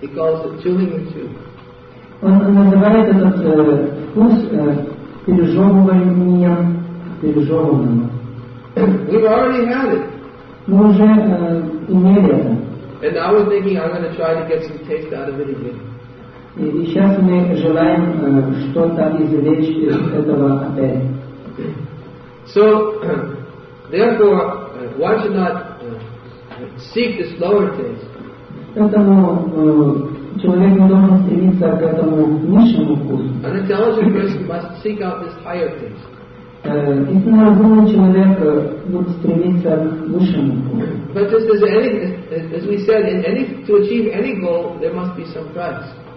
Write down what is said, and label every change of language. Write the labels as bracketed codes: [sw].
[en] He calls it chewing and chewing. He calls it пережевыванием. We've already had it. [ru] Мы уже имели это. [en] And now we're thinking I'm going to try to get some taste out of it again. [ru] И сейчас мы желаем что-то извлечь из этого опять. [en] So, therefore, why should not seek this lower taste? [ru] Поэтому человек должен стремиться к этому низшему вкусу. [en] An intelligent person must seek out this higher taste. [ru] Истинно разумный человек будет стремиться к высшему. [en] But just as any, as we said, in any to achieve any goal, there must be some price.